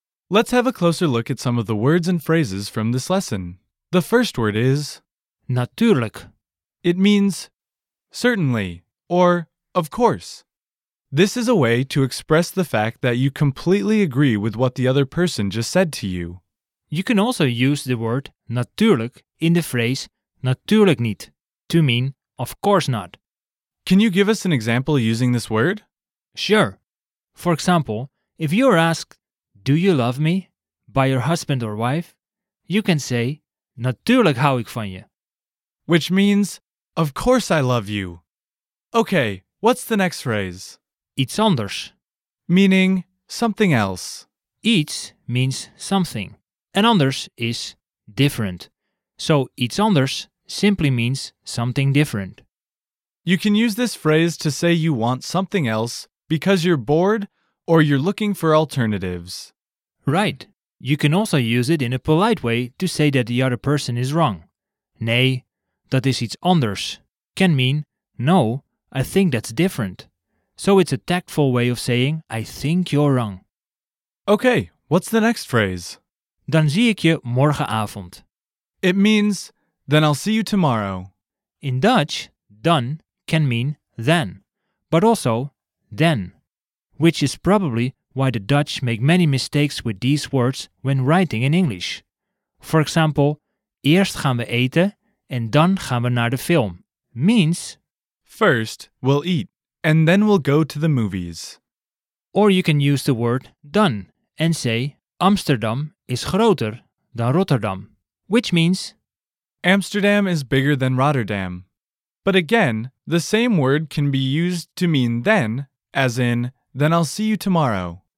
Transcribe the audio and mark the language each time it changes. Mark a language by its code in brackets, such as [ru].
[en] Let's have a closer look at some of the words and phrases from this lesson. The first word is [nl] natuurlijk. [en] It means certainly or of course. This is a way to express the fact that you completely agree with what the other person just said to you. You can also use the word natuurlijk in the phrase [nl] natuurlijk niet, [en] to mean of course not. Can you give us an example using this word? Sure. For example, if you are asked, do you love me, by your husband or wife, you can say, [nl] natuurlijk hou ik van je. [en] Which means, of course I love you. Okay, what's the next phrase? [nl] Iets anders. [en] Meaning, something else. Iets means something, and anders is different. So, [nl] iets anders [en] simply means something different. You can use this phrase to say you want something else because you're bored or you're looking for alternatives. Right. You can also use it in a polite way to say that the other person is wrong. [nl] Nee, dat is iets anders, [en] can mean, no, I think that's different. So it's a tactful way of saying, I think you're wrong. Okay, what's the next phrase? [nl] Dan zie ik je morgenavond. [en] It means, then I'll see you tomorrow. In Dutch, dan can mean then, but also then, which is probably why the Dutch make many mistakes with these words when writing in English. For example, [nl] eerst gaan we eten en dan gaan we naar de film, [en] means first we'll eat and then we'll go to the movies. Or you can use the word dan and say Amsterdam [nl] is groter dan [en] Rotterdam, which means Amsterdam is bigger than Rotterdam. But again, the same word can be used to mean then, as in, then I'll see you tomorrow.